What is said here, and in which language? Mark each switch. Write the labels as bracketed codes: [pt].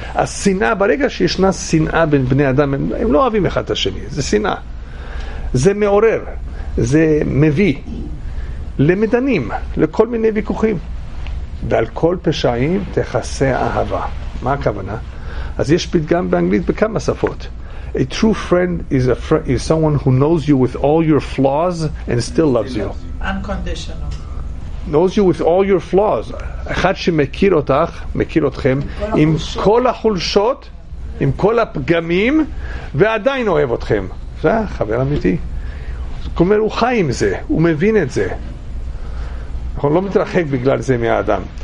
[he] השנאה, ברגע שישנה שנאה בין בני אדם, הם לא אוהבים אחד את השני, זה שנאה, זה מעורר, זה מביא למדנים, לכל מיני ויכוחים. ועל כל פשעים תכסה אהבה. מה הכוונה? אז יש פתגם באנגלית בכמה שפות. [en] A true friend is a friend, is someone who knows you with all your flaws and still loves you. Unconditional. Knows you with all your flaws. [he] אחד שמכיר אותך, מכיר אתכם, עם כל החולשות, עם כל הפגמים, ועדיין אוהב אתכם. זה חבר אמיתי. כלומר, הוא חי עם זה, הוא מבין את זה. הוא לא מתרחק בגלל זה מהאדם.